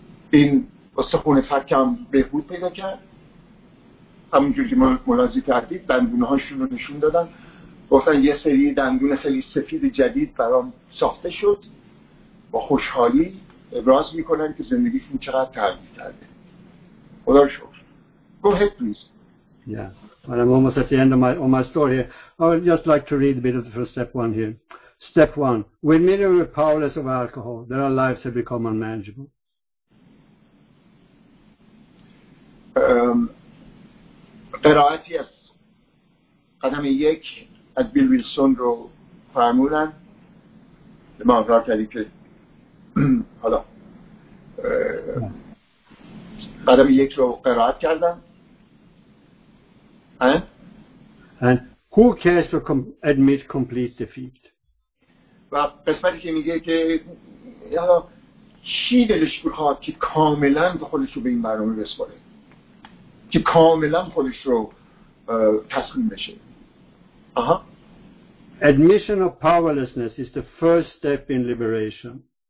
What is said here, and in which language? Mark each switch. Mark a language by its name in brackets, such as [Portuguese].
[Persian] این استخون فکم بهبود پیدا کرد. همونجور که ملاحظه کردید دندونهاشون رو نشون دادن، گفتن یه سری دندون خیلی سفید جدید برام ساخته شد. با خوشحالی ابراز میکنن که زندگیشون چقدر تغییر کرده. خدا رو شکر. [English] Go ahead please. Yeah. Well, I'm almost at the end of my story. I would just like to read a bit of the first step one here. Step one, when many were powerless of alcohol, their lives have become unmanageable. [Persian] قرائتی از قدم یک از بیل ویلسون رو فرمودن. ما اقرار کردیم که حالا قدم یک رو قرائت کردم. [English] And who cares to admit complete defeat? [Persian] و قسمتی که میگه که حالا چی دلش بخواد که کاملا خودش رو به این برنامه بسپاره، که کاملا خودش رو تسلیم بشه. [English] Admission of powerlessness is the first step in liberation.